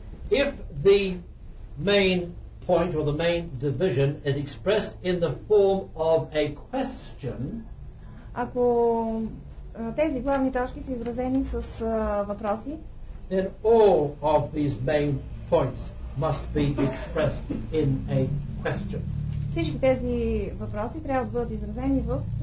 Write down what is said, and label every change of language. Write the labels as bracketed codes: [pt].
[en] If the main point or the main division is expressed in the form of a question, [bg] ако тези главни точки са изразени с въпроси, [en] then all of these main points must be expressed in a question. [bg] Всички тези въпроси трябва да бъдат изразени в